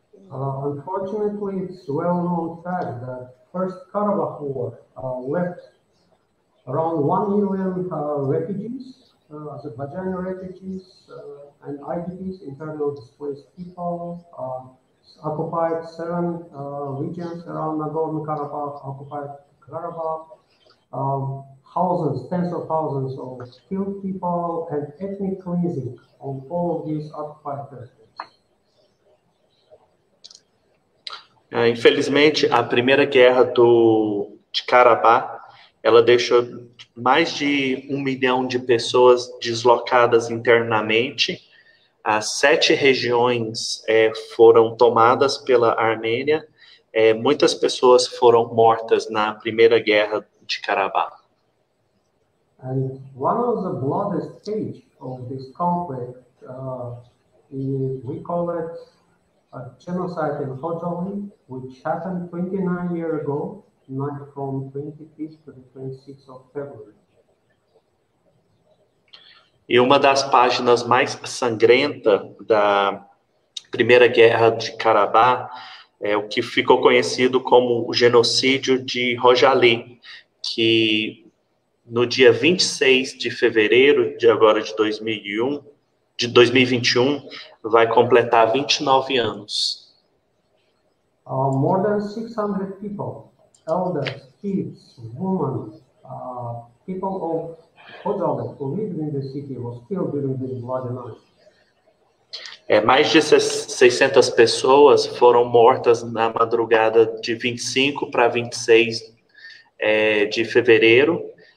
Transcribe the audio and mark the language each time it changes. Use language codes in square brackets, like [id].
[en] Unfortunately, it's well known fact that first Karabakh war left around 1 million refugees, Azerbaijani refugees and IDPs, internal displaced people, occupied seven regions around Nagorno-Karabakh, occupied Karabakh, thousands, tens of thousands of killed people, and ethnic cleansing on all of these occupied territories. [pt] Infelizmente, a primeira guerra de Karabakh, ela deixou mais de 1 milhão de pessoas deslocadas internamente. As 7 regiões foram tomadas pela Armênia. Muitas pessoas foram mortas na primeira guerra de Karabakh. [en] And one of the bloodiest stage of this conflict, we call it a genocide in Khojaly, which happened 29 years ago, not from 25th to the 26th of February. [pt] E uma das páginas mais sangrenta da Primeira Guerra de Karabakh é o que ficou conhecido como o genocídio de Khojaly, que no dia 26 de fevereiro de agora de 2001, de 2021, vai completar 29 anos. [en] More than 600 people, elders, kids, women, people of Khojaly who lived in the city was killed during this bloody night. [pt] Mais de 600 pessoas foram mortas na madrugada de 25 para 26 de fevereiro.